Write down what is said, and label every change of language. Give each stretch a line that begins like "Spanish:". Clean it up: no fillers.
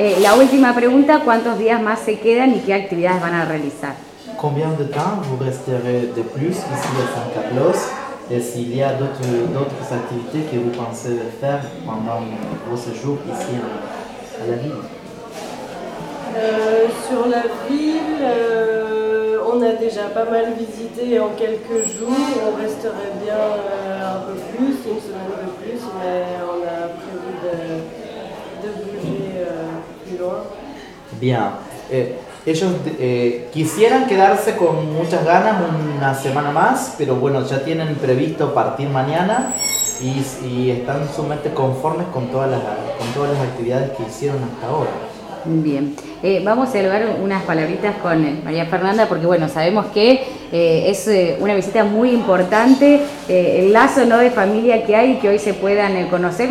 Spanish: La última pregunta, ¿cuántos días más se quedan y qué actividades van a realizar?
French: Combien de temps vous resterez de plus ici à San Carlos et s'il y a d'autres activités que vous pensez faire pendant vos séjours ici à la ville? Sur la ville, on a déjà pas mal visité en quelques jours. On resterait bien un peu plus, une semaine de plus, mais on a prévu de bouger plus loin. Bien.
Spanish: Ellos quisieran quedarse con muchas ganas una semana más, pero bueno, ya tienen previsto partir mañana y están sumamente conformes con todas las actividades que hicieron hasta ahora. Bien, vamos a hablar unas palabritas con María Fernanda, porque bueno, sabemos que es una visita muy importante, el lazo, ¿no?, de familia que hay y que hoy se puedan conocer.